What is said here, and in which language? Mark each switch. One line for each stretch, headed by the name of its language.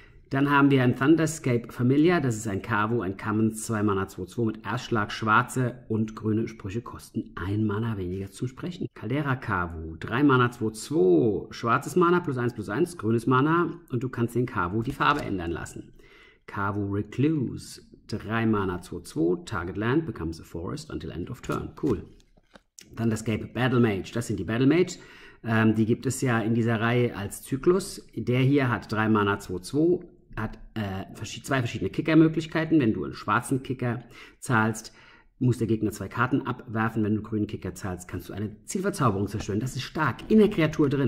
German: Dann haben wir ein Thunderscape Familiar, das ist ein Kavu, ein Common, 2 Mana 2-2 mit Erstschlag, schwarze und grüne Sprüche kosten 1 Mana weniger zum Sprechen. Caldera Kavu, 3 Mana 2-2, schwarzes Mana plus eins, grünes Mana und du kannst den Kavu die Farbe ändern lassen.
English: Kavu Recluse, 3 Mana 2-2, Target Land becomes a forest until end of turn.
German: Cool. Thunderscape Battle Mage, das sind die Battle Mage. Die gibt es ja in dieser Reihe als Zyklus. Der hier hat 3 Mana 2-2, hat zwei verschiedene Kicker-Möglichkeiten. Wenn du einen schwarzen Kicker zahlst, muss der Gegner 2 Karten abwerfen. Wenn du einen grünen Kicker zahlst, kannst du eine Zielverzauberung zerstören. Das ist stark in der Kreatur drin.